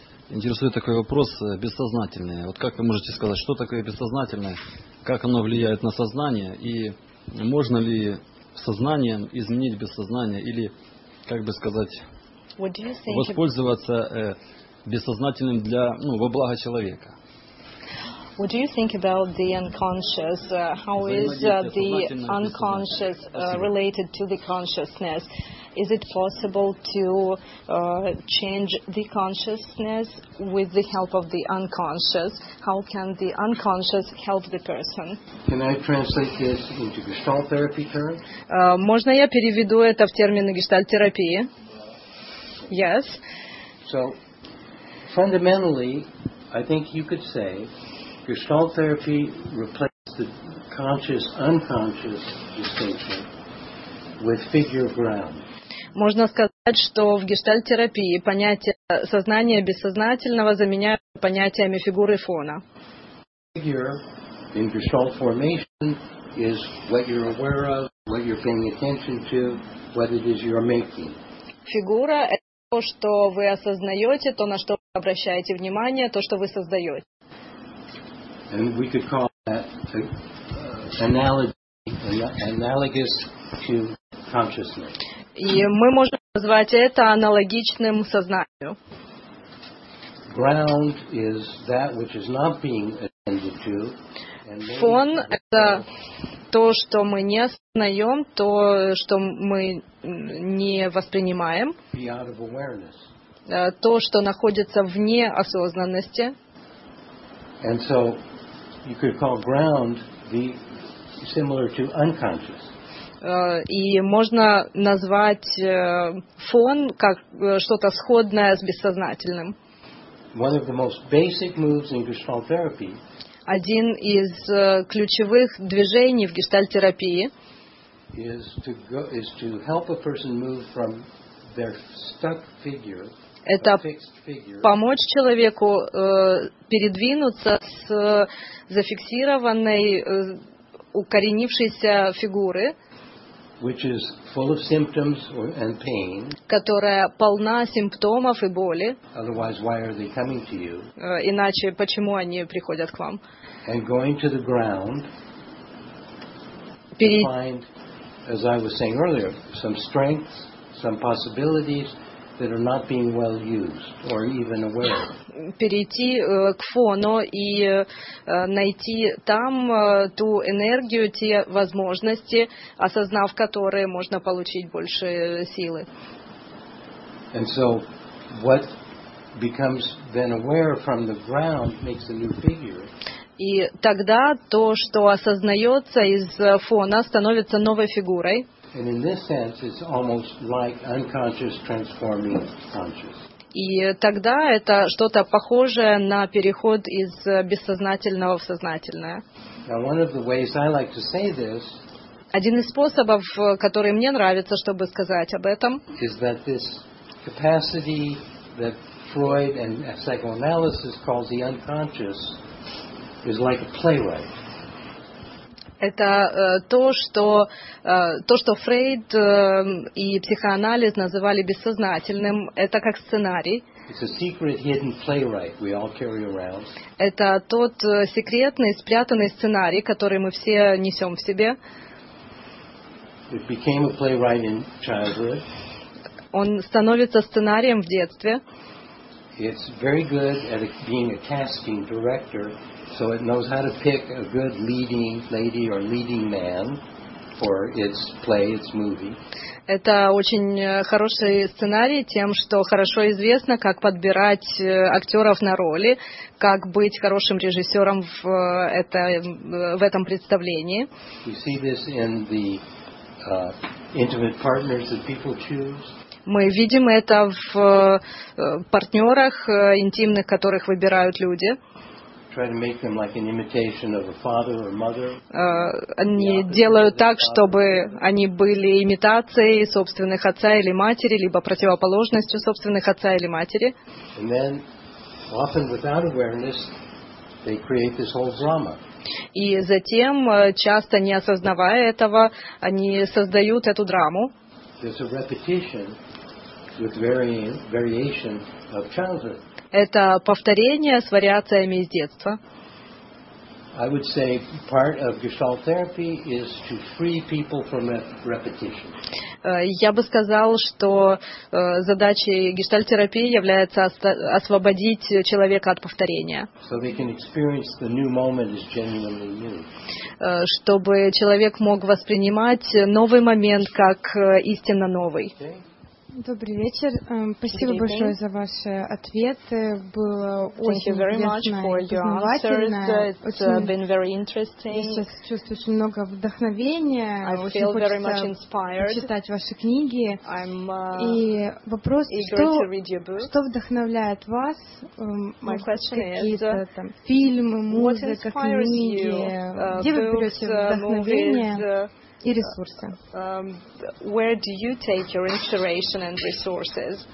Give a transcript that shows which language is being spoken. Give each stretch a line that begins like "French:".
Russian: Интересует такой вопрос, бессознательное. Вот как вы можете сказать, что такое бессознательное, как оно влияет на сознание, и можно ли сознанием изменить бессознание, или, как бы сказать, воспользоваться бессознательным для, во благо человека?
English: What do you think about the unconscious? How is the unconscious related to the consciousness? Is it possible to change the consciousness with the help of the unconscious? How can the unconscious help the person? Can I translate this into Gestalt therapy terms?
Russian: Можно я переведу это в термины гештальт-терапии?
English: Yes. So, fundamentally, I think you could say Gestalt therapy replaces the conscious-unconscious distinction with figure of ground.
Russian: Можно сказать, что в гештальт-терапии понятие сознания бессознательного заменяют понятиями фигуры фона.
English: Figure in gestalt formation is what you're aware of, what you're paying attention to, what it is you're making.
Russian: Фигура – это то, что вы осознаете, то, на что вы обращаете внимание, то, что вы создаете.
English: And we could call that analogous to consciousness.
Russian: И мы можем назвать это аналогичным сознанию.
English: Ground is that which is not being attended to.
Russian: Фон – это то, что мы не осознаем, то, что мы не воспринимаем.
English: Beyond of awareness.
Russian: То, что находится вне осознанности.
English: And so you could call ground the similar to unconscious.
Russian: И можно назвать фон как что-то сходное с бессознательным.
English: One of the most basic moves in gestalt therapy.
Russian: Один из ключевых движений в гештальт-терапии
English: is to help a person move from their stuck figure.
Russian: Это помочь человеку передвинуться с зафиксированной укоренившейся фигуры.
English: Which is full of symptoms and pain.
Russian: Которая полна симптомов и боли.
English: Otherwise, why are they coming to you?
Russian: Иначе почему они приходят к вам?
English: And going to the ground. To find, as I was saying earlier, some strengths, some possibilities that are not being well used or even aware.
Russian: Перейти к фону и найти там ту энергию, те возможности, осознав которые, можно получить больше силы.
English: And so what becomes then aware from the ground makes a new figure.
Russian: И тогда то, что осознается из фона, становится новой фигурой.
English: And in this sense, it's almost like unconscious transforming conscious.
Russian: И тогда это что-то похожее на переход из бессознательного в сознательное.
English: Now, one of the ways I like to say this.
Russian: Один из способов, который мне нравится, чтобы сказать об этом.
English: Is that this capacity that Freud and psychoanalysis calls the unconscious is like a playwright.
Russian: Это то, что Фрейд и психоанализ называли бессознательным, это как сценарий.
English: It's a secret hidden playwright we all carry around.
Russian: Это тот секретный, спрятанный сценарий, который мы все несем в себе.
English: It became a playwright in childhood.
Russian: Он становится сценарием в детстве.
English: It's very good at being a casting director. So it knows how to pick a good leading lady or leading man for its play, its movie.
Russian: Это очень хороший сценарий тем, что хорошо известно, как подбирать актеров на роли, как быть хорошим режиссером в этом представлении.
English: You see this in the intimate partners that people choose.
Russian: Мы видим это в партнерах интимных, которых выбирают люди.
English: Try to make them like an imitation of a father or mother.
Russian: Они делают так, чтобы они были имитацией собственных отца или матери, либо противоположностью собственных отца или матери.
English: And then, often without awareness, they create this whole drama.
Russian: И затем, часто не осознавая этого, они создают эту драму.
English: There's a repetition with variation of childhood.
Russian: Это повторение с вариациями из детства.
English: I would say part of gestalt therapy is to free people from repetition.
Russian: Я бы сказала, что задачей гештальт-терапии является освободить человека от повторения.
English: So they can experience the new moment as genuinely new.
Russian: Чтобы человек мог воспринимать новый момент как истинно новый. Добрый вечер. Спасибо большое за ваши ответы. Было очень интересно. Очень. Я сейчас чувствую очень много вдохновения. Очень хочется читать ваши книги. И вопрос, что вдохновляет вас? Какие-то фильмы, музыка, книги? Где вы берете вдохновение? И ресурсы.
English: Where do you take your inspiration and resources?